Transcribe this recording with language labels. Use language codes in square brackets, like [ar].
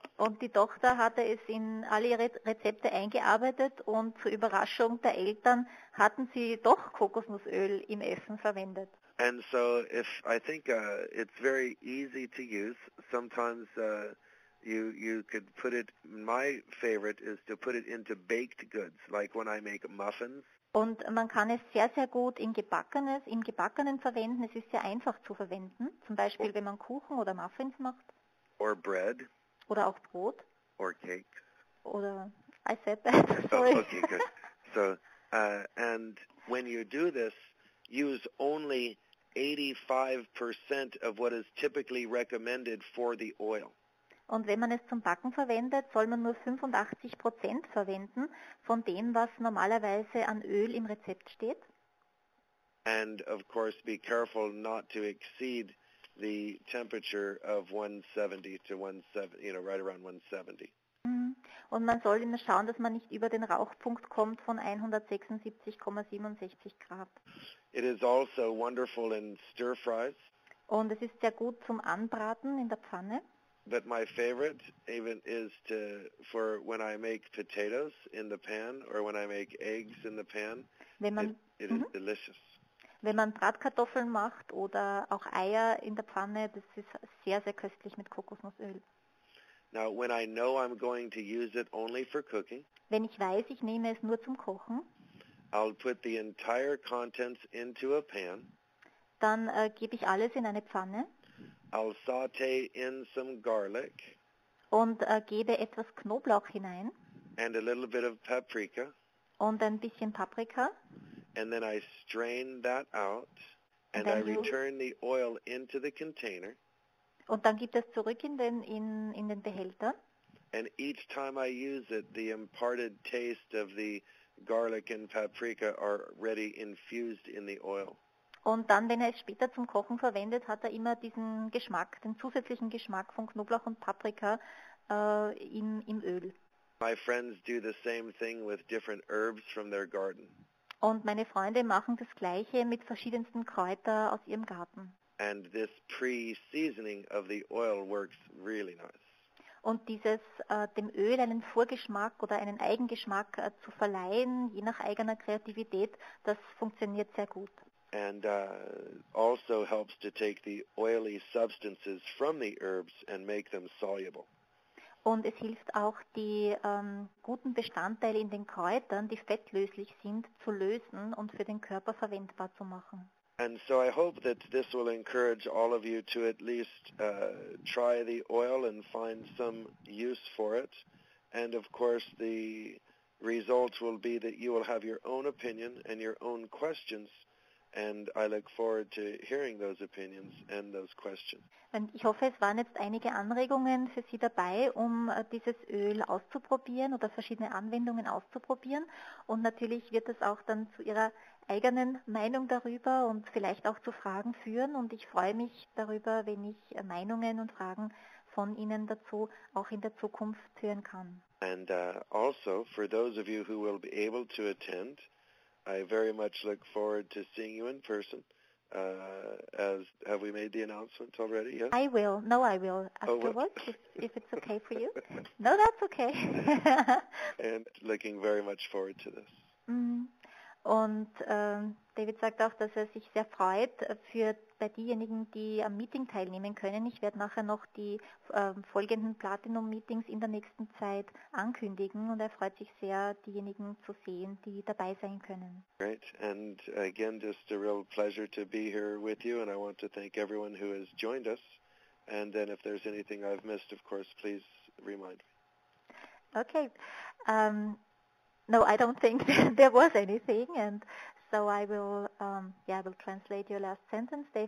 [de] Und die Tochter hatte es in alle ihre Rezepte eingearbeitet, und zur Überraschung der Eltern hatten sie doch Kokosnussöl im Essen verwendet. [en] And so, if I think it's very easy to use, sometimes you could put it. My favorite is to put it into baked goods, like when I make muffins. [de] Und man kann es sehr, sehr gut im Gebackenen verwenden. Es ist sehr einfach zu verwenden. Zum Beispiel, wenn man Kuchen oder Muffins macht. [en] Or bread. [de] Oder auch Brot. [en] Or cake. [de] Oder, [en] I said that, sorry. Oh, okay, good. So, and when you do this, use only 85% of what is typically recommended for the oil. [de] Und wenn man es zum Backen verwendet, soll man nur 85% verwenden von dem, was normalerweise an Öl im Rezept steht. [en] And of course be careful not to exceed the temperature of 170 to 170, you know, right around 170. [de] Und man soll immer schauen, dass man nicht über den Rauchpunkt kommt von 176,67 Grad. [en] It is also wonderful in stir fries. [de] Und es ist sehr gut zum Anbraten in der Pfanne. [en] But my favorite even is to, for when I make potatoes in the pan or when I make eggs in the pan, [de] wenn man, [en] it is delicious. [de] Wenn man Bratkartoffeln macht oder auch Eier in der Pfanne, das ist sehr, sehr köstlich mit Kokosnussöl. [en] Now, when I know I'm going to use it only for cooking, [de] wenn ich weiß, ich nehme es nur zum Kochen, [en] I'll put the entire contents into a pan. [de] Dann gebe ich alles in eine Pfanne. [en] I'll saute in some garlic. [de] Und gebe etwas Knoblauch hinein. [en] And a little bit of paprika. [de] Und ein bisschen Paprika. [en] And then I strain that out. And I return the oil into the container. [de] Und dann gibt es zurück in den Behälter. [en] And each time I use it, the imparted taste of the garlic and paprika are ready infused in the oil. [de] Und dann, wenn er es später zum Kochen verwendet, hat er immer diesen Geschmack, den zusätzlichen Geschmack von Knoblauch und Paprika im Öl. [en] My friends do the same thing with different herbs from their garden. [de] Und meine Freunde machen das Gleiche mit verschiedensten Kräutern aus ihrem Garten. [en] And this pre-seasoning of the oil works really nice. [de] Und dieses dem Öl einen Vorgeschmack oder einen Eigengeschmack zu verleihen, je nach eigener Kreativität, das funktioniert sehr gut. [en] And also helps to take the oily substances from the herbs and make them soluble. [de] Und es hilft auch, die guten Bestandteile in den Kräutern, die fettlöslich sind, zu lösen und für den Körper verwendbar zu machen. [en] And so I hope that this will encourage all of you to at least try the oil and find some use for it. And of course the results will be that you will have your own opinion and your own questions. And I look forward to hearing those opinions and those questions. [de] Und ich hoffe, es waren jetzt einige Anregungen für Sie dabei, um dieses Öl auszuprobieren oder verschiedene Anwendungen auszuprobieren. Und natürlich wird es auch dann zu Ihrer eigenen Meinung darüber und vielleicht auch zu Fragen führen. Und ich freue mich darüber, wenn ich Meinungen und Fragen von Ihnen dazu auch in der Zukunft hören kann. [en] And also for those of you who will be able to attend, I very much look forward to seeing you in person. As have we made the announcement already? Yes. I will. No, I will afterwards, if it's okay for you. No, that's okay. And looking very much forward to this. [de] Und David sagt auch, dass er sich sehr freut für bei diejenigen, die am Meeting teilnehmen können. Ich werde nachher noch die folgenden Platinum-Meetings in der nächsten Zeit ankündigen und er freut sich sehr, diejenigen zu sehen, die dabei sein können. [en] Great. And again, just a real pleasure to be here with you and I want to thank everyone who has joined us. And then if there's anything I've missed, of course, please remind me. Okay. No, I don't think there was anything, and so I will, I will translate your last sentence.